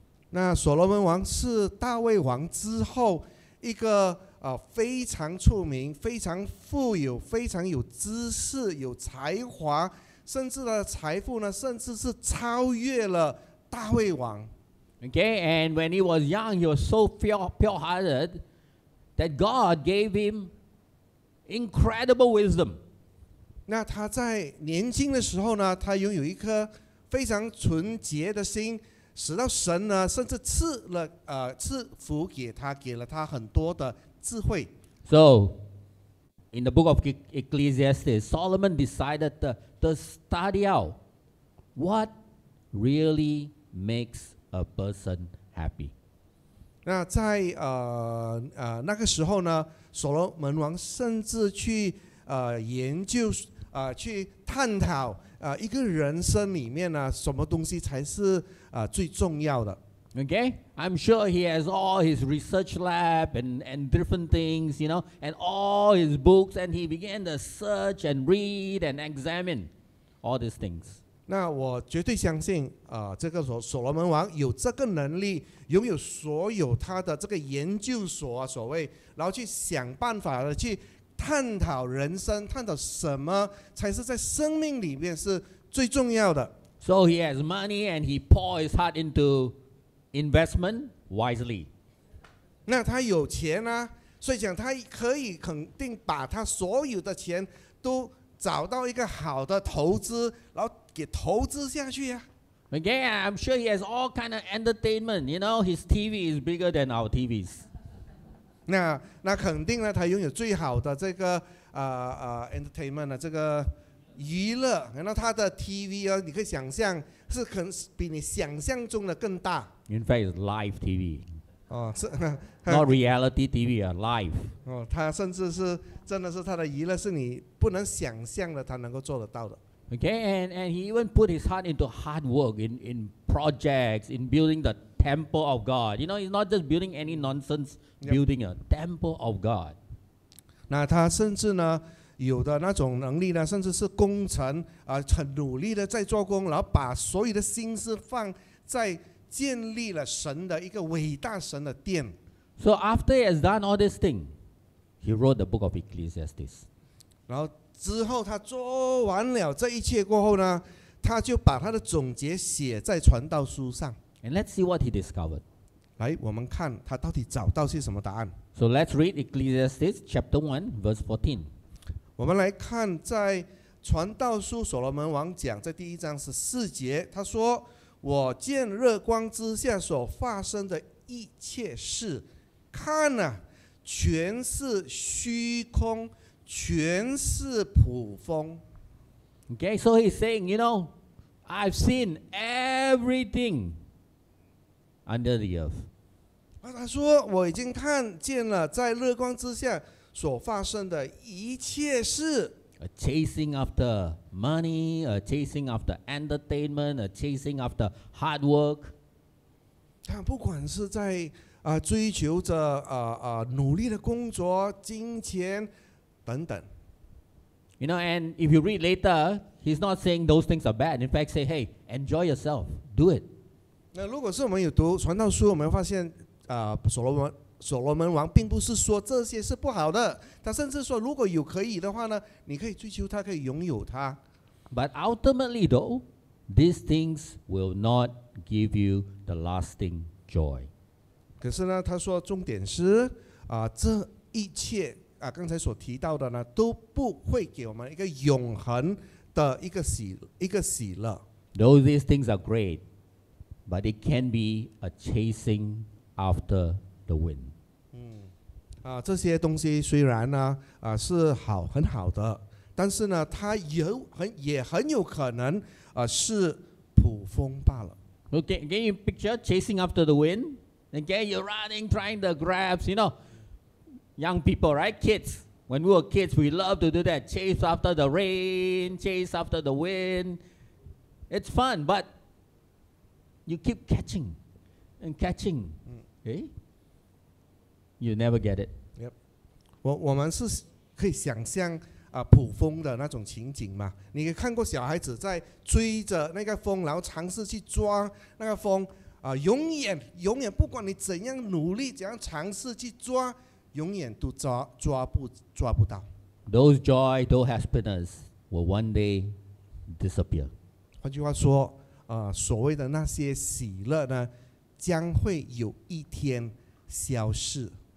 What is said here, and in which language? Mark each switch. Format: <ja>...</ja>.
<zh>那所罗门王是大卫王之后一个非常出名、非常富有、非常有知识、有才华，甚至的财富呢，甚至是超越了大卫王。</zh> <en>Okay, and when he was young, he was so pure-hearted that God gave him incredible wisdom.</en> <zh>那他在年轻的时候呢，他拥有一颗非常纯洁的心。使到神呢，甚至赐了赐福给他，给了他很多的智慧。</zh> <en>So, in the book of Ecclesiastes, Solomon decided to study out what really makes a person happy.</en> <zh>那在那个时候呢，所罗门王甚至去研究去探讨。一个人生里面呢，什么东西才是最重要的</zh> <en>？Okay, I'm sure he has all his research lab and different things, you know, and all his books, and he began to search and read and examine all these things.</en> <zh>那我绝对相信，这个所罗门王有这个能力，拥有所有他的这个研究所啊，所谓，然后去想办法的去。探讨人生，探讨什么才是在生命里面是最重要的。</zh> <en>So he has money and he pours his heart into investment wisely.</en> <zh>那他有钱啊，所以讲他可以肯定把他所有的钱都找到一个好的投资，然后给投资下去啊。</zh> <en>Okay, I'm sure he has all kind of entertainment. You know, his TV is bigger than our TVs.</en> <zh>那肯定呢，他拥有最好的这个entertainment 的这个娱乐。然后他的 TV 啊，你可以想象是肯比你想象中的更大。</zh> <en>In fact, it's live TV.</en> <zh>哦，是</zh> <en>not reality TV, a live.</en> <zh>哦，他甚至是真的是他的娱乐是你不能想象的，他能够做得到的。</zh> <en>Okay, and he even put his heart into hard work in projects, in building the temple of God. You know, he's not just building any nonsense, building a temple of God.</en> <zh>那他甚至呢，有的那种能力呢，甚至是工程啊，很努力的在做工，然后把所有的心思放在建立了神的一个伟大神的殿。</zh> <en>So after he has done all this thing, he wrote the book of Ecclesiastes.</en> <zh>然后之后他做完了这一切过后呢，他就把他的总结写在传道书上。</zh> <en>And let's see what he discovered.</en> <zh>来，我们看他到底找到些什么答案。</zh> <en>So let's read Ecclesiastes chapter 1 verse 14.</en> <zh>我们来看在传道书所罗门王讲在第一章十四节，他说：我见日光之下所发生的一切事，看啊，全是虚空，全是普风。</zh> <en>Okay, so he's saying, you know, I've seen everything under the earth.</en> <zh>他说我已经看见了在日光之下所发生的一切事。</zh> <en>A chasing after money, a chasing after entertainment, a chasing after hard work.</en> <zh>他不管是在追求着努力的工作、金钱等等。</zh> <en>You know, and if you read later, he's not saying those things are bad. In fact, say, hey, enjoy yourself, do it.</en> <zh>那如果是我们有读传道书，我们发现所罗门王并不是说这些是不好的，他甚至说如果有可以的话呢，你可以追求他，可以拥有他。</zh> <en>But ultimately, though, these things will not give you the lasting joy.</en> <zh>可是呢，他说重点是这一切刚才所提到的呢，都不会给我们一个永恒的一个喜乐。</zh> <en>Though these things are great, but it can be a chasing after. The wind.</en> <zh>这些东西虽然呢是好很好的，但是呢它也很有可能是普风罢了。</zh> <en>Okay, can you picture chasing after the wind? Okay, you're running, trying to grab. You know, young people, right? Kids. When we were kids, we love to do that. Chase after the rain, chase after the wind. It's fun, but you keep catching and catching. Okay. You never get it. Yep.</en> <zh>我们是可以想象普风的那种情景嘛？你看过小孩子在追着那个风，然后尝试去抓那个风永远不管你怎样努力，怎样尝试去抓，永远都抓不到。</zh> <en>Those joy, those happiness will one day disappear.</en> <zh>换句话说，所谓的那些喜乐呢，将会有一天消失。</zh>